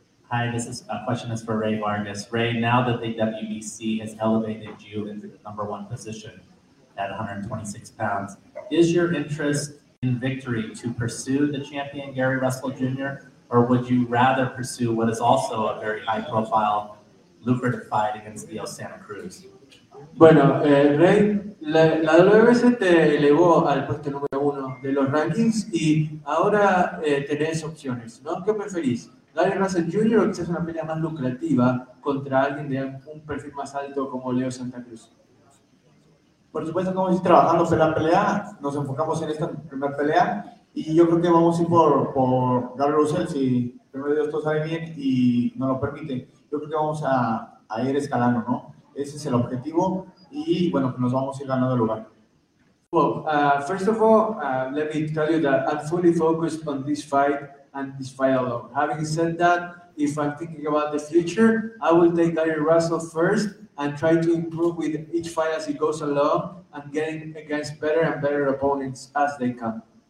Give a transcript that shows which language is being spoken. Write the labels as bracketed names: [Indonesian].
[English] Hi, this is a question that's for Ray Vargas. Ray, now that the WBC has elevated you into the number one position at 126 pounds, is your interest in victory to pursue the champion Gary Russell Jr., or would you rather pursue what is also a very high-profile, lucrative fight against Leo Santa Cruz? [Spanish] Bueno, Ray, la WBC te elevó al puesto número uno de los rankings y ahora tenés opciones, ¿no? ¿Qué preferís? Gary Russell Jr. o quizás una pelea más lucrativa contra alguien de un perfil más alto como Leo Santa Cruz. Por supuesto que vamos a ir trabajando pelea a pelea, nos enfocamos en esta primera pelea y yo creo que vamos a ir por Gary Russell si primero Dios todo sale bien y nos lo permite. Yo creo que vamos a ir escalando, ¿no? Ese es el objetivo y bueno, que nos vamos a ir ganando el lugar. [English] Well, first of all, let me tell you that I'm fully focused on this fight and this fight alone. Having said that, if I'm thinking about the future, I will take Gary Russell first and try to improve with each fight as it goes along and getting against better and better opponents as they come.